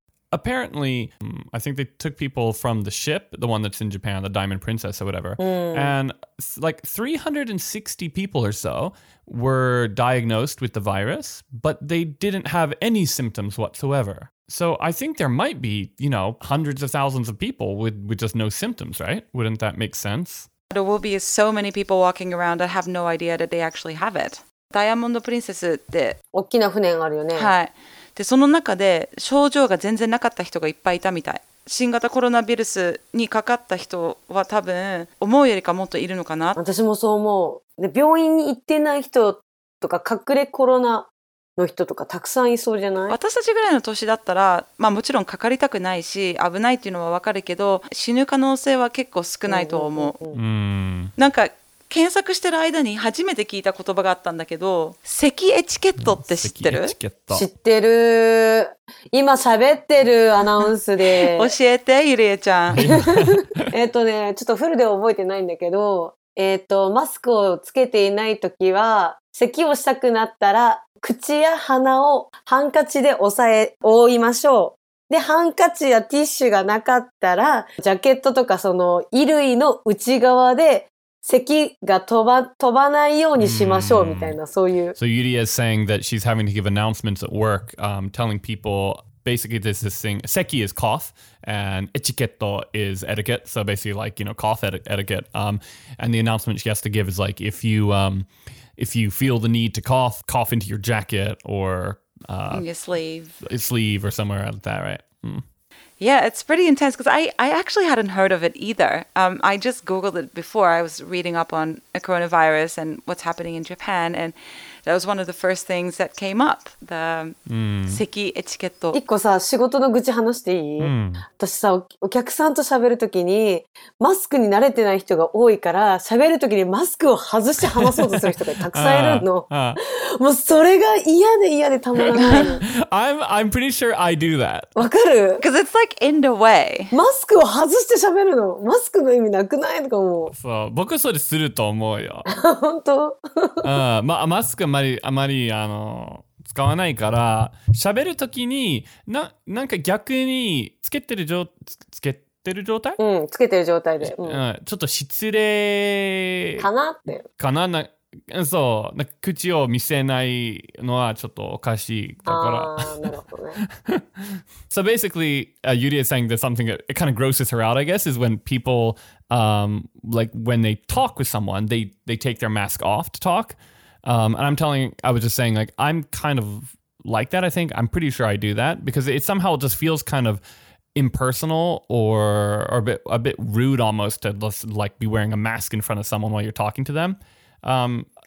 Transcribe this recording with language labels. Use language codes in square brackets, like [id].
[en] Apparently, I think they took people from the ship, the one that's in Japan, the Diamond Princess or whatever, and like 360 people or so were diagnosed with the virus, but they didn't have any symptoms whatsoever. So I think there might be, you know, hundreds of thousands of people with just no symptoms, right? Wouldn't that make sense? There will be so many people walking around that have no idea that they actually have it. [ja] Diamond Princess って大きな船があるよね。はい。でその中で症状が全然なかった人がいっぱいいたみたい。新型コロナウイルスにかかった人は多分思うよりかもっといるのかな。私もそう思う。で病院に行ってない人とか隠れコロナの人とかたくさんいそうじゃない？私たちぐらいの年だったら、まあ、もちろんかかりたくないし危ないっていうのはわかるけど死ぬ可能性は結構少ないと思う。なんか検索してる間に初めて聞いた言葉があったんだけど、咳エチケットって知ってる？咳エチケット。知ってる。今喋ってるアナウンスで。教えて、ゆりえちゃん。ちょっとフルで覚えてないんだけど、マスクをつけていないときは、咳をしたくなったら、口や鼻をハンカチで押さえ、覆いましょう。で、ハンカチやティッシュがなかったら、ジャケットとかその衣類の内側で、咳が飛ばないようにしましょうみたいな、そういう。 [en] So Yurie is saying that she's having to give announcements at work, telling people... Basically, there's this thing, seki is cough, and etiketto is etiquette. So basically, like, you know, cough etiquette. And the announcement she has to give is, like, if you feel the need to cough, cough into your jacket or... your sleeve. A sleeve or somewhere like that, right? Mm. Yeah, it's pretty intense because I actually hadn't heard of it either. I just Googled it before. I was reading up on a coronavirus and what's happening in Japan, and... That was one of the first things that came up. The seki etiketto. [ja] 一個さ、仕事の愚痴話していい？私さ、お客さんと喋るときに、マスクに慣れてない人が多いから、喋るときにマスクを外して話そうとする人がたくさんいるの。もうそれが嫌で嫌でたまらない。 [en] I'm pretty sure I do that. [ja] わかる？ [en] Because it's like in the way. [ja] マスクを外して喋るの。マスクの意味なくないとか思う。そう、僕それすると思うよ。本当？マスクあまり使わないから喋るときに なんか逆につけてる状態つけてる状態で、ちょっと失礼かなってかな、なそうなんか口を見せないのはちょっとおかしいだから、あ、なるほどね。 [en] So basically, Yurie is saying that something that it kind of grosses her out, I guess, is when people like when they talk with someone, they take their mask off to talk. And I was just saying, like, I'm kind of like that, I think. I'm pretty sure I do that because it somehow just feels kind of impersonal or a bit rude almost to just, like, be wearing a mask in front of someone while you're talking to them.